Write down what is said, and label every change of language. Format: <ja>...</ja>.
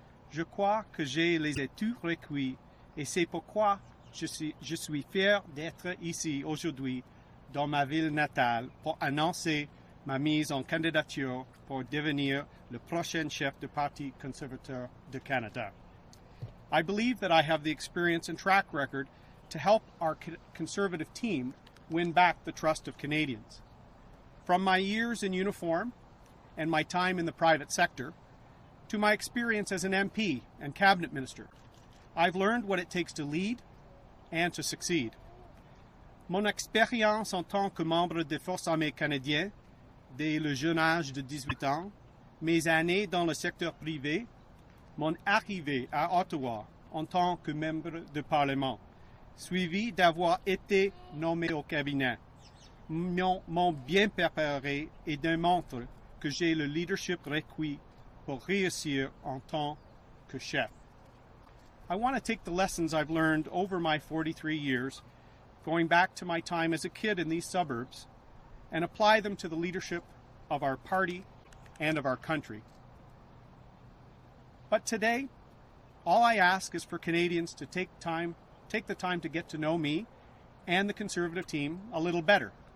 <fr>Je crois que j'ai les atouts requis et c'est pourquoi je suis fier d'être ici aujourd'hui dans ma ville natale pour annoncer ma mise en candidature pour devenir le prochain chef du Parti conservateur du Canada.</fr> <en>I believe that I have the experience and track record to help our conservative team win back the trust of Canadians. From my years in uniform and my time in the private sector, to my experience as an MP and cabinet minister, I've learned what it takes to lead and to succeed.</en> <fr>Mon expérience en tant que membre des Forces armées canadiennes dès le jeune âge de 18 ans, mes années dans le secteur privé, mon arrivée à Ottawa en tant que membre du Parlement, suivi d'avoir été nommé au cabinet, m'ont bien préparé et démontré que j'ai le leadership requis pour réussir en tant que chef.</fr> <en>I want to take the lessons I've learned over my 43 years, going back to my time as a kid in these suburbs, and apply them to the leadership of our party and of our country. But today, all I ask is for Canadians to take the time to get to know me and the Conservative team a little better.</en>